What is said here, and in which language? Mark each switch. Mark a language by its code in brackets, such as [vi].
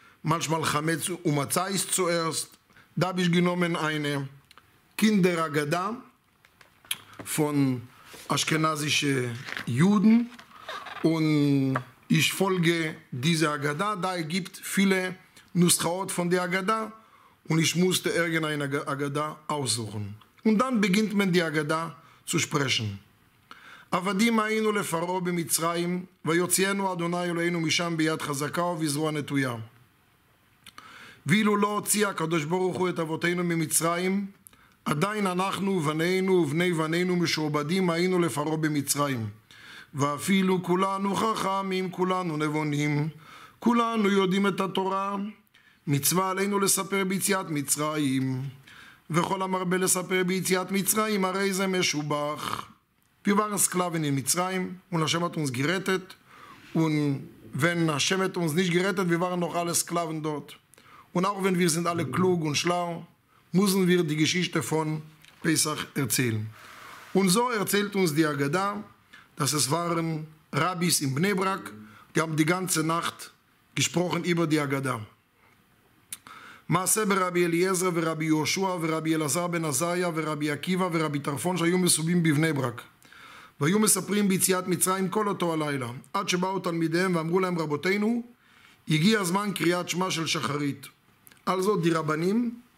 [de] Manchmal Chametz Umatza ist zuerst. Da habe ich genommen eine Kinderagada von aschkenasischen Juden. Und ich folge dieser Agada. Da gibt es viele Nuschaot von der Agada. Und ich musste irgendeine Agada aussuchen. Und dann beginnt man die Agada zu sprechen. [he] עבדים היינו לפרעה במצרים, ויוציאנו אדוני אלוהינו משם ביד חזקה ובזרוע נטויה. ואילו לא הוציא הקדוש ברוך הוא את אבותינו ממצרים, עדיין אנחנו ובנינו ובני בנינו משועבדים היינו לפרעה במצרים. ואפילו כולנו חכמים, כולנו נבונים, כולנו יודעים את התורה, מצווה עלינו לספר ביציאת מצרים, וכל המרבה לספר ביציאת מצרים, הרי זה משובח. [de] Wir waren Sklaven in Mitzrayim und Hashem hat uns gerettet. Und wenn Hashem hat uns nicht gerettet, wir waren noch alle Sklaven dort. Und auch wenn wir sind alle klug und schlau, müssen wir die Geschichte von Pesach erzählen. Und so erzählt uns die Agada, dass es waren Rabbis in Bnei Brak, die haben die ganze Nacht gesprochen über die Agada. [he] מעשה ברבי אליעזר ורבי יהושע ורבי אלעזר בן עזריה ורבי עקיבא ורבי טרפון שהיו מסובים בבני ברק והיו מספרים ביציאת מצרים כל אותו הלילה עד שבאו תלמידיהם ואמרו להם רבותינו הגיע הזמן קריאת שמע של שחרית על זאת [de] די רבנים